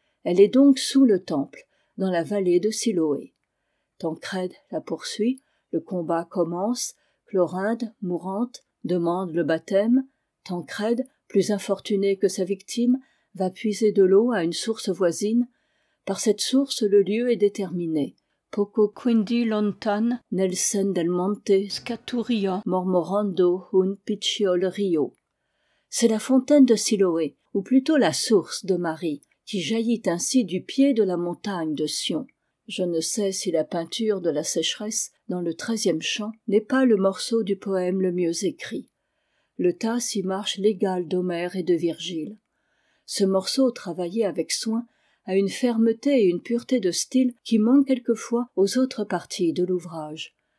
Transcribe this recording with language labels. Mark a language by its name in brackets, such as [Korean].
[French] Elle est donc sous le temple, dans la vallée de Siloé. Tancrède la poursuit, le combat commence, Clorinde, mourante, demande le baptême. Tancrède, plus infortuné que sa victime, va puiser de l'eau à une source voisine. Par cette source, le lieu est déterminé. [Italian] Poco quindi lontan, nel sen del monte, scaturia, mormorando un picciol rio. [French] C'est la fontaine de Siloé, ou plutôt la source de Marie, qui jaillit ainsi du pied de la montagne de Sion. Je ne sais si la peinture de la sécheresse dans le 13e chant n'est pas le morceau du poème le mieux écrit. Le Tasse y marche l'égal d'Homère et de Virgile. Ce morceau, travaillé avec soin, a une fermeté et une pureté de style qui manquent quelquefois aux autres parties de l'ouvrage.